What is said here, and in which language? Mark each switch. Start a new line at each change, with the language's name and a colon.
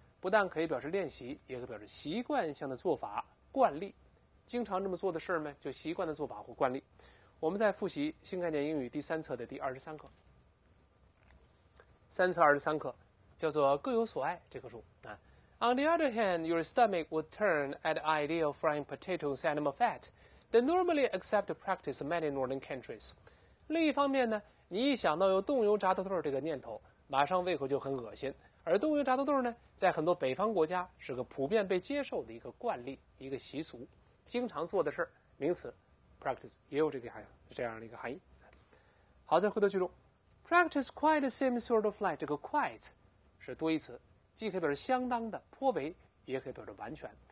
Chinese: 不但可以表示练习，也可以表示习惯性的做法，惯例，经常这么做的事儿呢，就习惯的做法或惯例。我们在复习新概念英语第三册的第23课，三册23课叫做各有所爱这棵树。
English: On the other hand, your stomach would turn at the idea of frying potatoes and animal fatThe normally accepted practice in many northern countries.
Chinese: 另一方面呢，你一想到有动油炸的腿这个念头，马上胃口就很恶心，而冬油炸土豆呢，在很多北方国家是个普遍被接受的一个惯例、一个习俗、经常做的事儿。名词 practice 也有这个含义，这样的一个含义。好，再回到句中 ，
English: practice quite the same sort of like
Chinese: 这个 quite 是多义词，既可以表示相当的、颇为，也可以表示完全。